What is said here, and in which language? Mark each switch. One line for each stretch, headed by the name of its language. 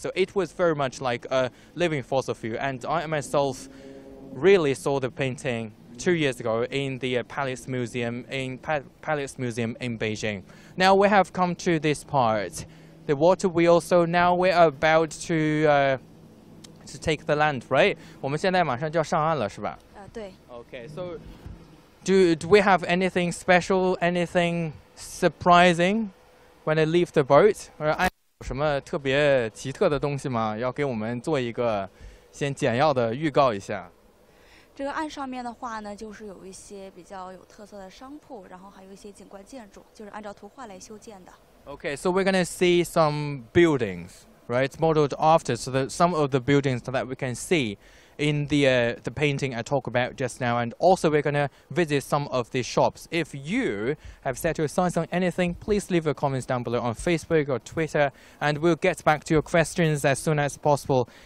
English: So it was very much like a living fossil fuel. And I myself really saw the painting 2 years ago in the Palace Museum in Beijing. Now we have come to this part, the water wheel. So now we are about to take the land, right?
Chinese: 我们现在马上就要上岸了，是吧？对。
English: Okay. So do we have anything special, anything surprising? When I leave the boat,
Chinese: 有什么特别奇特的东西吗？要给我们做一个先简要的预告一下。这个岸上面的话呢，就是有一些比较有特色的商铺，然后还有一些景观建筑，就是按照图画来修建的。
English: Okay, so we're gonna see some buildings, right? It's modeled after, so that some of the buildings that we can see in the painting I talked about just now, and also we're gonna visit some of the shops. If you have set your sights on anything, please leave your comments down below on Facebook or Twitter, and we'll get back to your questions as soon as possible.